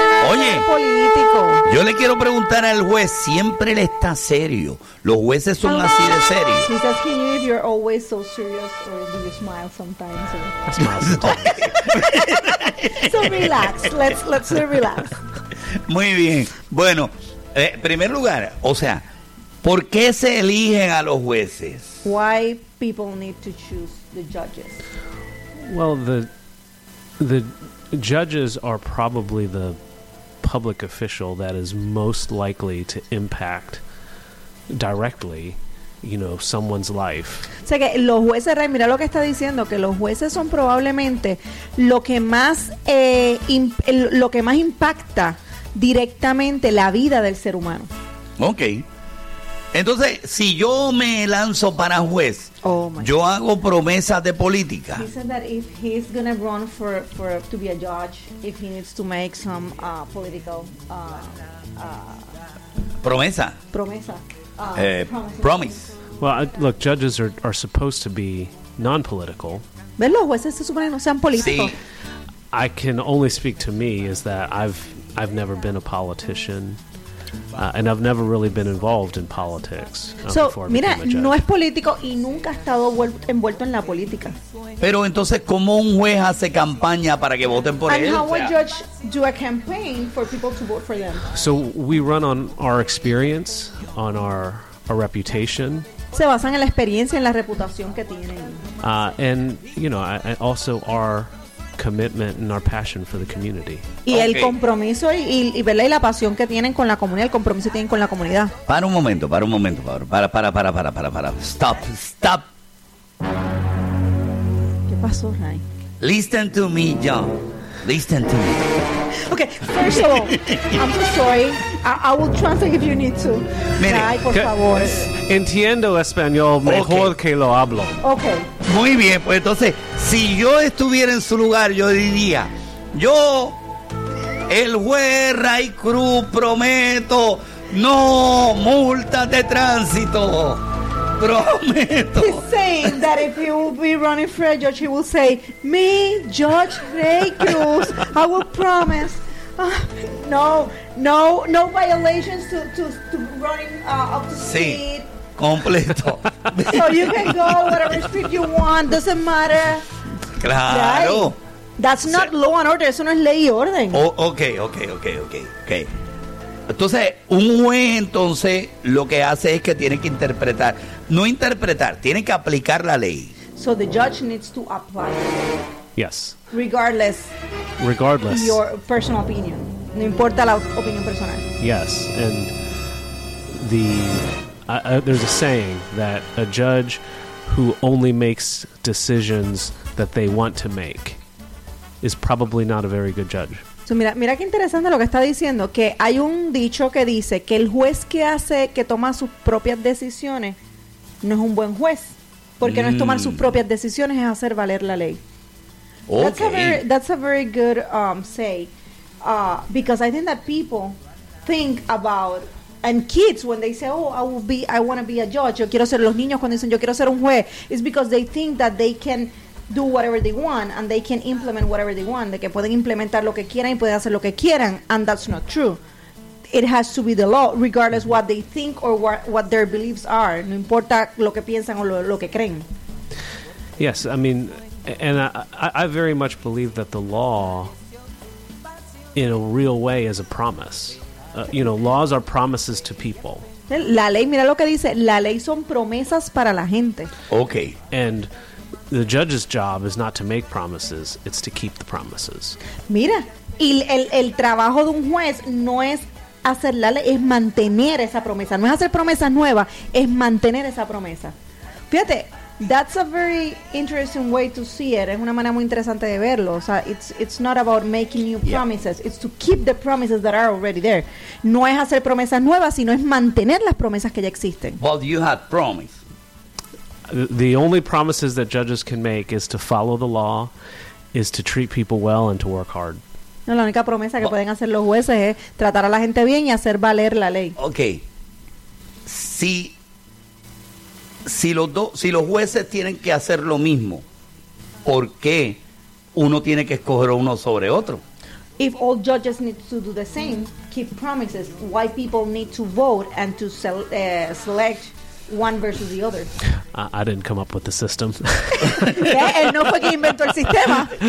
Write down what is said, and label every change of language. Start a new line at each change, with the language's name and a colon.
Spanish: Oye, yo le quiero preguntar al juez, siempre él está serio. Los jueces son así de serios.
English: He's asking you if you're always so serious or do you smile sometimes. So relax, let's relax.
Spanish: Muy bien. Bueno, en primer lugar, o sea, ¿por qué se eligen a los jueces?
English: Why people need to choose the judges? Well, the judges are probably the public official that is most likely to impact directly, you know, someone's life.
Spanish: O sea que los jueces, Ray, mira lo que está diciendo, que los jueces son probablemente lo que más lo que más impacta directamente la vida del ser humano. Okay. Entonces, si yo me lanzo para juez, yo hago promesas de política.
English: He said that if he's gonna run for to be a judge, if he needs to make some political
Spanish: promesa. Promesa.
English: Promise. Well, look, judges are supposed to be non-political.
Spanish: ¿Ves? Los jueces se supone no sean políticos. Sí.
English: I can only speak to me is that I've never been a politician. And I've never really been involved in politics.
Spanish: So, mira, no es político y nunca ha estado envuelto en la política. Pero entonces, ¿cómo un juez hace campaña para que voten por
English: and
Spanish: él?
English: And how would judge do a campaign for people to vote for them? So, we run on our experience, on our reputation.
Spanish: Se basan en la experiencia, en la reputación que tienen.
English: And, you know, also our commitment and our passion for the community.
Spanish: Y el compromiso y la pasión que tienen con la comunidad, el compromiso que tienen con la comunidad. Para un momento, para. Stop. ¿Qué pasó, Ray?
English: Listen to me, John. Listen to me. Okay, first of all, I'm so sorry. I will translate if you need to.
Spanish: Mire, Ray, por favor. Entiendo español mejor que lo hablo.
English: Okay.
Spanish: Muy bien, pues entonces, si yo estuviera en su lugar, yo diría, yo, el juez Ray Cruz, prometo no multas de tránsito. Prometo.
English: He's saying that if he will be running for a judge, he will say, me, Judge Ray Cruz, I will promise no violations to running up to speed.
Spanish: Completo.
English: So you can go whatever street you want, doesn't matter.
Spanish: Claro.
English: That's not law and order,
Spanish: eso no es ley y orden.
English: Oh, okay.
Spanish: Entonces, un juez entonces lo que hace es que tiene que interpretar, no interpretar, tiene que aplicar la ley.
English: So the judge needs to apply. Yes. Regardless. Your personal opinion.
Spanish: No importa la opinión personal.
English: Yes, and there's a saying that a judge who only makes decisions that they want to make is probably not a very good judge.
Spanish: So mira qué interesante lo que está diciendo, que hay un dicho que dice que el juez que toma sus propias decisiones no es un buen juez, porque no es tomar sus propias decisiones, es hacer valer la ley.
English: Okay. That's a very good say, because I think that people think about. And kids, when they say, "Oh, I want to be a judge,"
Spanish: yo quiero ser, los niños cuando dicen yo quiero ser un juez,
English: it's because they think that they can do whatever they want and they can implement whatever they want.
Spanish: De que pueden implementar lo que quieran
English: y pueden hacer lo que quieran, and that's not true. It has to be the law, regardless what they think or what their beliefs are.
Spanish: No importa lo que piensan o lo que creen.
English: Yes, I mean, and I very much believe that the law, in a real way, is a promise. You know, laws are promises to people.
Spanish: La ley, mira lo que dice, la ley son promesas para la gente.
English: Okay. And the judge's job is not to make promises, it's to keep the promises.
Spanish: Mira, y el trabajo de un juez no es hacer la ley, es mantener esa promesa. No es hacer promesas nuevas, es mantener esa promesa.
English: Fíjate, that's a very interesting way to see it.
Spanish: Es una manera muy interesante de verlo. O sea,
English: it's not about making new promises. Yeah. It's to keep the promises that are already there.
Spanish: No es hacer promesas nuevas, sino es mantener las promesas que ya existen.
English: Well, you have promised. The only promises that judges can make is to follow the law, is to treat people well and to work hard.
Spanish: No, la única promesa que pueden hacer los jueces es tratar a la gente bien y hacer valer la ley. Okay. Sí. Si los jueces tienen que hacer lo mismo, ¿por qué uno tiene que escoger uno sobre otro?
English: If all judges need to do the same, keep promises, why people need to vote and to select one versus the other? I didn't come up with the system.
Spanish: Yeah, él no fue quien inventó el sistema.